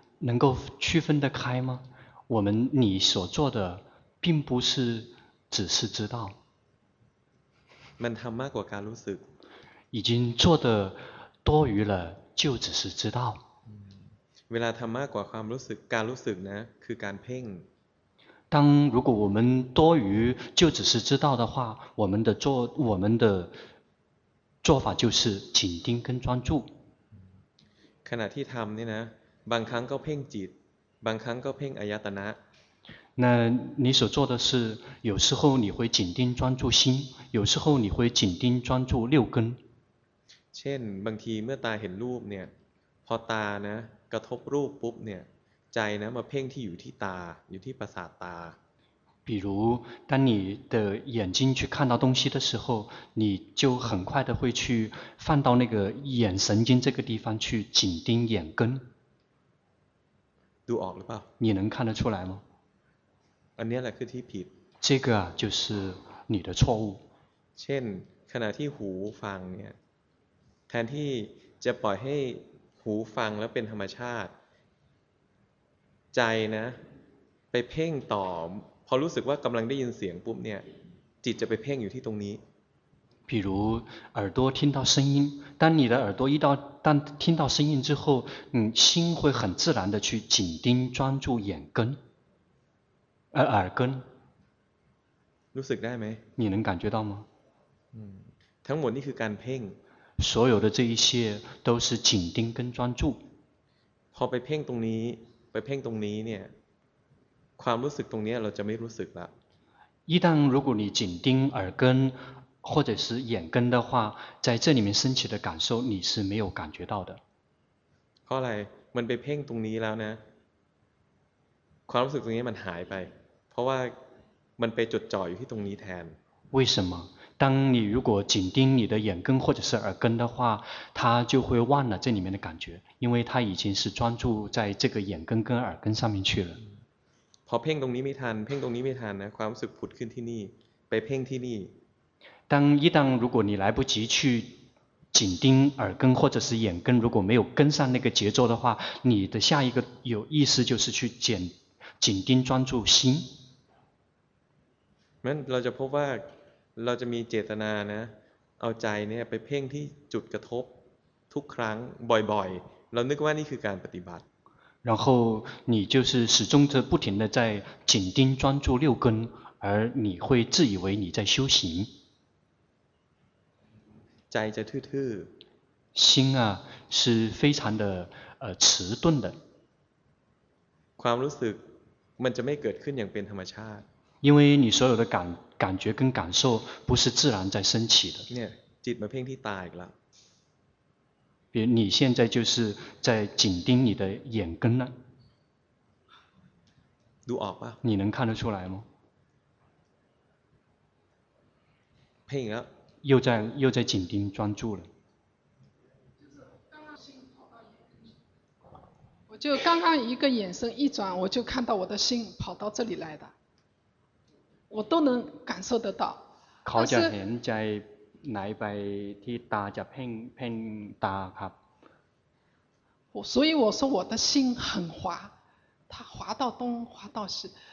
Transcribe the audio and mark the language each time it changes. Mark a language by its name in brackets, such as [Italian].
[Chinese] 能够区分得开吗我们你所做的并不是只是知道 [Thai] มันทำมากกว่าการรู้สึก [Chinese] 已经做得多余了就只是知道 [Thai] เวลาทำมากกว่าความรู้สึกการรู้สึกนะคือการเพ่ง [Chinese] 当如果我们多余就只是知道的话我们的做法就是紧盯跟专注 [Thai] ขณะที่ทำนี่นะบางครั้งก็เพ่งจิตบางครั้งก็เพ่งอายตนะ [Chinese] 那你所做的事，有时候你会紧盯专注心，有时候你会紧盯专注六根。 [Thai] เช่นบางทีเมื่อตาเห็นรูปเนี่ยพอตานะกระทบรูปปุ๊บเนี่ยใจนะมาเพ่งที่อยู่ที่ตาอยู่ที่ประสาทตา [Chinese] 比如当你的眼睛去看到东西的时候你就很快的会去放到那个眼神经这个地方去紧盯眼根 [Thai] ดูออกหรือเปล่า [Chinese] 你能看得出来吗 [Thai] อันนี้แหละคือที่ผิด [Chinese] 这个啊就是你的错误 [Thai] เช่นขณะที่หูฟังเนี่ยแทนที่จะปล่อยให้หูฟังแล้วเป็นธรรมชาติใจนะไปเพ่งต่อพอรู้สึกว่ากำลังได้ยินเสียงปุ๊บเนี่ยจิตจะไปเพ่งอยู่ที่ตรงนี้ [Chinese] 比如耳朵听到声音当你的耳朵一到当听到声音之后你心会很自然的去紧盯专注眼根耳根 [Thai] รู้สึกได้ไหม [Chinese] 你能感觉到吗 [Thai] ทั้งหมดนี่คือการเพ่ง [Chinese] 所有的这一切都是紧盯跟专注 [Thai] พอไปเพ่งตรงนี้ไปเพ่งตรงนี้เนี่ยความรู้สึกตรงนี้เราจะไม่รู้สึกละ [Chinese] 一旦如果你紧盯耳根或者是眼根的话在这里面升起的感受你是没有感觉到的 [Thai] เพราะอะไรมันไปเพ่งตรงนี้แล้วนะความรู้สึกตรงนี้มันหายไปเพราะว่ามันไปจดจ่ออยู่ที่ตรงนี้แทน [Chinese] 为什么当你如果紧盯你的眼根或者是耳根的话它就会忘了这里面的感觉因为它已经是专注在这个眼根跟耳根上面去了 [Thai] พอเพ่งตรงนี้ไม่ทันเพ่งตรงนี้ไม่ทันนะความรู้สึกผุดขึ้นที่นี่ไปเพ่งที่นี่ [Chinese] 当一旦如果你来不及去紧盯耳根或者是眼根如果没有跟上那个节奏的话你的下一个有意思就是去紧盯专注心 [Thai] มันเราจะพบว่าเราจะมีเจตนานะเอาใจเนี่ยไปเพ่งที่จุดกระทบทุกครั้งบ่อยๆเรานึกว่านี่คือการปฏิบัติ [Chinese] 然后你就是始终的不停的在紧盯专注六根而你会自以为你在修行 [Thai] ใจจะทื่อ [Chinese] ๆ心啊是非常的迟钝的 [Thai] ความรู้สึกมันจะไม่เกิดขึ้นอย่างเป็นธรรมชาติ [Chinese] 因为你所有的感觉跟感受不是自然在升起的。 [Thai] จิตมาเพ่งที่ตาอีกแล้ว [Chinese] 比如你现在就是在紧盯你的眼根呢。 [Thai] ดูออกป่ะ [Chinese] 你能看得出来吗？ [Thai] เพ่งแล้ว [Chinese] 又在紧盯专注了。我就刚刚一个眼神一转，我就看到我的心跑到这里来的。我都能感受得到 [Thai] เขาจะเห็นใจไหลไปที่ตาจะเพ่งตาครับ [Chinese] 所以我说我的心很滑它滑到东滑到西